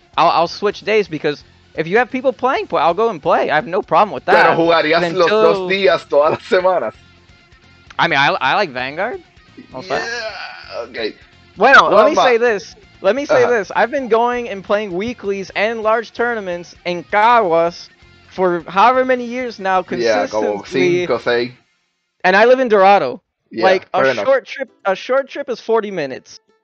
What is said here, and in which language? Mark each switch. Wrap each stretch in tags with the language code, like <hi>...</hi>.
<en>I'll switch days because if you have people playing, pues I'll go and play. I have no problem with that.</en> <es>Pero jugarías until los 2 días todas las semanas.</es> <en>I mean, I like Vanguard. Also. Yeah, okay. Bueno, well, let me say this. I've been going and playing weeklies and large tournaments in Caguas for however many years now consistently.</en> <es>Yeah, como 5, 6.</es> <en>And I live in Dorado. Yeah, like a short trip is 40 minutes.</en>